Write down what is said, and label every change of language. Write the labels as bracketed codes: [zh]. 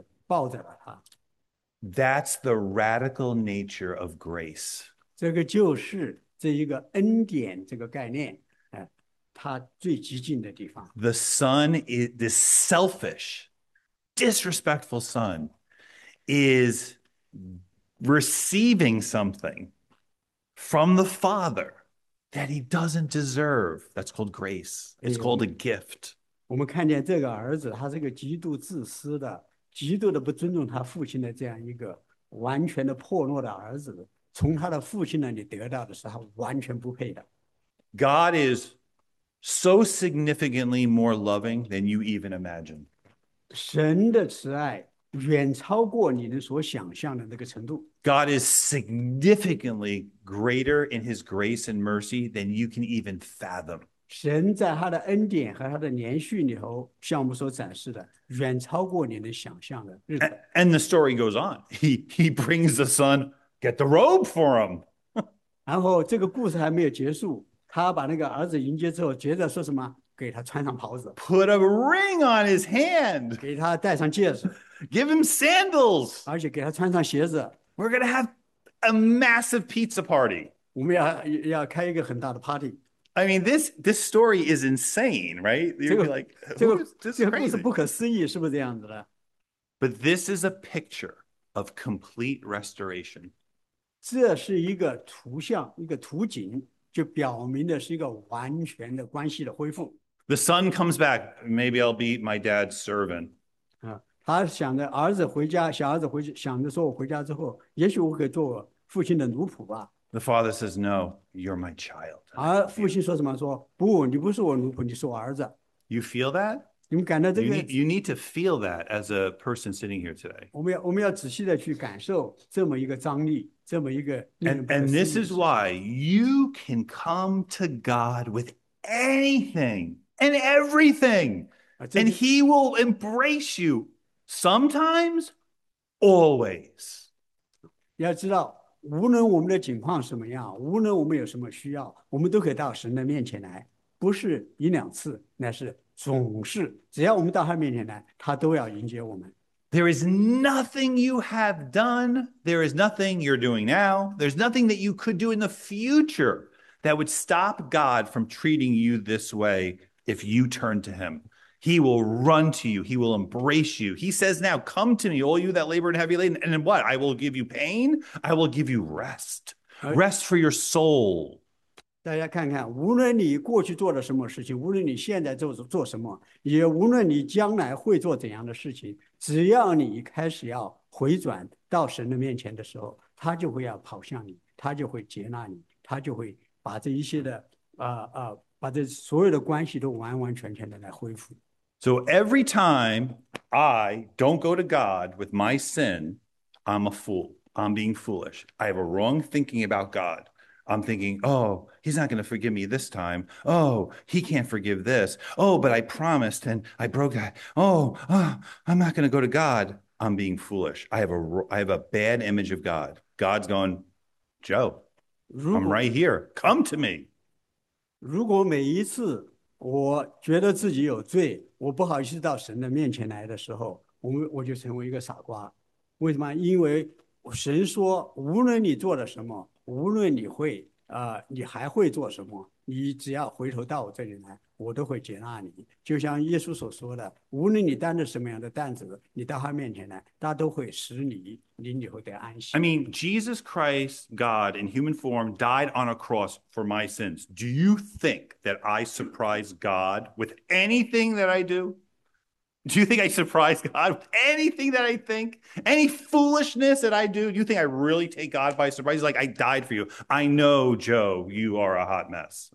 [zh] 在那个儿子还没有说完他话的时候，那父亲就已经是抱着了他。 [en] That's the radical nature of grace. [zh] 这个就是这一个恩典这个概念，他最激进的地方。 [en] The son is this selfish, disrespectful son is receiving something from the father that he doesn't deserve. That's called grace. It's called a gift. [zh] 我们看见这个儿子，他这个极度自私的、极度的不尊重他父亲的这样一个完全的破落的儿子。从他的父亲那里得到的是他完全不配的。 [en] God is so significantly more loving than you even imagine. [zh] 神的慈爱远超过你能所想象的那个程度。 [en] God is significantly greater in his grace and mercy than you can even fathom. [zh] 神在他的恩典和他的连续里头向我们所展示的远超过你能想象的日子。 [en] And the story goes on. He brings the son, get the robe for him. [zh] 然后这个故事还没有结束，他把那个儿子迎接之后接着说什么，给他穿上袍子。 [en] Put a ring on his hand. [zh] 给他戴上戒指。 [en] Give him sandals. [zh] 而且给他穿上鞋子。 [en] We're going to have a massive pizza party. [zh] 我们 要开一个很大的 party。 [en] I mean, this story is insane, right? You'd be like, this is crazy. But this is a picture of complete restoration. [zh] 这是一个图像，一个图景，就表明的是一个完全的关系的恢复。 [en] The son comes back. Maybe I'll be my dad's servant. [zh] 他想着儿子回家，小儿子回去，想着说我回家之后，也许我可以做我父亲的奴仆吧。 [en] The father says, no, you're my child. [zh] 而父亲说什么？说不，你不是我奴仆，你是我儿子。 [en] You feel that? [zh] 你们感到这个 [en] you need to feel that as a person sitting here today. [zh] 我们要仔细的去感受这么一个张力，这么一个令人不可思议。 [en] And this is why you can come to God with anything and everything. And he will embrace you sometimes, always. [zh] 要知道无论我们的境况什么样，无论我们有什么需要，我们都可以到神的面前来，不是一两次，乃是总是，只要我们到他面前来，他都要迎接我们。 [en] There is nothing you have done, there is nothing you're doing now, there's nothing that you could do in the future that would stop God from treating you this way if you turn to him. He will run to you, he will embrace you. He says now, come to me, all you that labor and heavy laden, and what? I will give you pain, I will give you rest. Rest for your soul. [zh] 大家看看，无论你过去做了什么事情，无论你现在做什么，也无论你将来会做怎样的事情，只要你开始要回转到神的面前的时候，他就会要跑向你，他就会接纳你，他就会把这一些的把这所有的关系都完完全全的来恢复。 [en] So every time I don't go to God with my sin, I'm a fool. I'm being foolish. I have a wrong thinking about God. I'm thinking, oh, he's not going to forgive me this time. Oh, he can't forgive this. Oh, but I promised and I broke that. Oh, I'm not going to go to God. I'm being foolish. I have a bad image of God. God's going, Joe, I'm right here. Come to me. [zh] 如果每一次我觉得自己有罪，我不好意思到神的面前来的时候， 我就成为一个傻瓜。为什么？因为神说，无论你做了什么，无论你会你还会做什么，你只要回头到我这里来，我都会接纳你。就像耶稣所说的，无论你担着什么样的担子，你到他面前来，他都会使你灵里头得安息。 [en] I mean, Jesus Christ, God, in human form, died on a cross for my sins. Do you think that I surprise God with anything that I do? Do you think I surprise God with anything that I think? Any foolishness that I do? Do you think I really take God by surprise? He's like, I died for you. I know, Joe, you are a hot mess.